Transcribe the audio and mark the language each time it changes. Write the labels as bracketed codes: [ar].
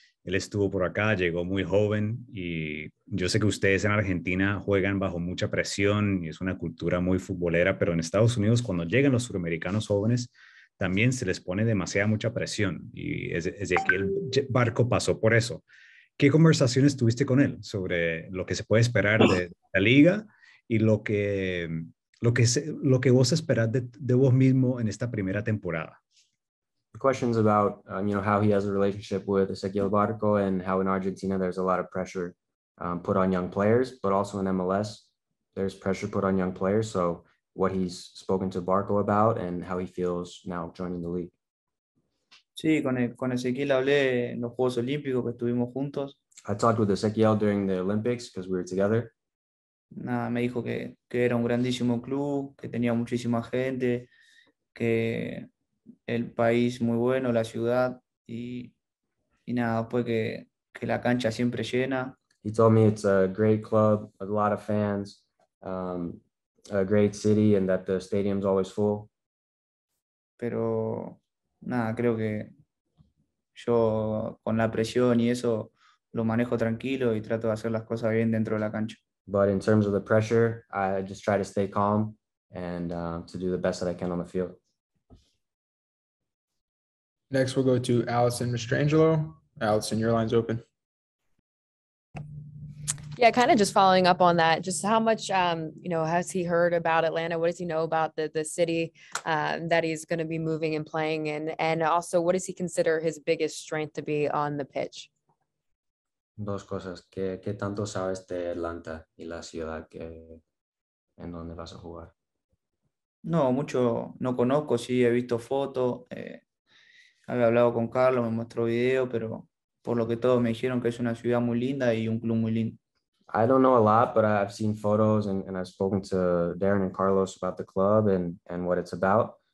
[es] Él estuvo por acá, llegó muy joven y yo sé que ustedes en Argentina juegan bajo mucha presión y es una cultura muy futbolera, pero en Estados Unidos cuando llegan los suramericanos jóvenes también se les pone demasiada mucha presión y Ezequiel Balco pasó por eso. ¿Qué conversaciones tuviste con él sobre lo que se puede esperar de la liga y lo que vos esperás de vos mismo en esta primera temporada? [en] Questions about how he has a relationship with Ezequiel Barco and how in Argentina there's a lot of pressure put on young players, but also in MLS there's pressure put on young players. So what he's spoken to Barco about and how he feels now joining the league. [es] Sí, con Ezequiel hablé en los Juegos Olímpicos que estuvimos juntos. [en] I talked with Ezequiel during the Olympics because we were together. [es] Nah, me dijo que era un grandísimo club, que tenía muchísima gente, que el país muy bueno, la ciudad y nada, pues que la cancha siempre llena. [en] He told me it's a great club, a lot of fans, a great city, and that the stadium's always full. [es] Pero nada, creo que yo con la presión y eso lo manejo tranquilo y trato de hacer las cosas bien dentro de la cancha. [en] But in terms of the pressure, I just try to stay calm and to do the best that I can on the field. Next, we'll go to Allison Mastrangelo. Allison, your line's open. Yeah, kind of just following up on that, just how much, has he heard about Atlanta? What does he know about the city that he's going to be moving and playing in? And also, what does he consider his biggest strength to be on the pitch? [es] Dos cosas. ¿Qué tanto sabes de Atlanta y la ciudad que en donde vas a jugar? No, mucho no conozco. Sí, he visto fotos. Había hablado con Carlos, me mostró video, pero por lo que todos me dijeron que es una ciudad muy linda y un club muy lindo. [en] I don't know a lot, but I've seen photos and I've spoken to Darren and Carlos about the club and what it's about.